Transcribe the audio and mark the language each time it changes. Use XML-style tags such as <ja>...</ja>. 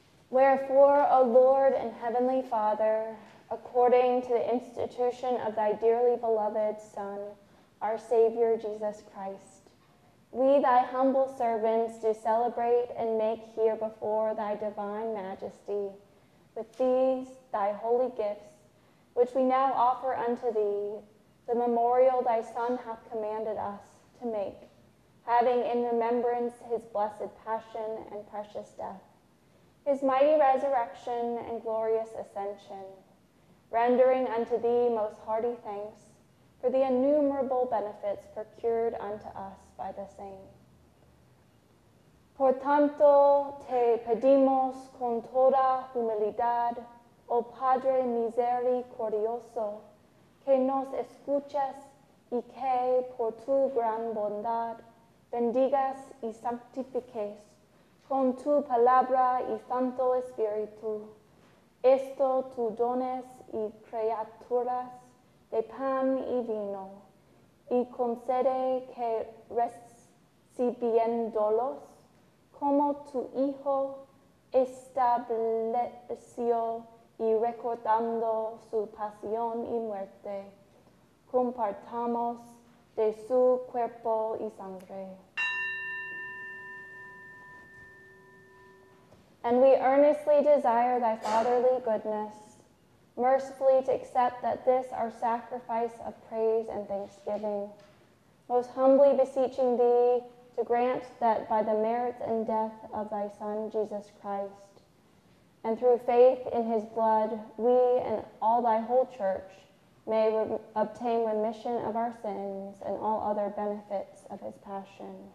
<en>Wherefore, O Lord and Heavenly Father, according to the institution of thy dearly beloved Son, our Savior Jesus Christ, we, thy humble servants, do celebrate and make here before thy divine majesty with these thy holy gifts, which we now offer unto thee, the memorial thy Son hath commanded us to make, having in remembrance his blessed passion and precious death, his mighty resurrection and glorious ascension, rendering unto thee most hearty thanks for the innumerable benefits procured unto us by the same.</en> <es>Por tanto, te pedimos con toda humildad, oh Padre misericordioso, que nos escuches y que por tu gran bondad bendigas y santifiques con tu palabra y santo espíritu esto tu dones y criaturas de pan y vino, y concede que recibiéndolos como tu hijo estableció y recordando su pasión y muerte, compartamos de su cuerpo y sangre.</es> <en>And we earnestly desire thy fatherly goodness, mercifully to accept that this our sacrifice of praise and thanksgiving, most humbly beseeching thee to grant that by the merits and death of thy Son, Jesus Christ, and through faith in his blood, we and all thy whole church may obtain remission of our sins and all other benefits of his passion.</en>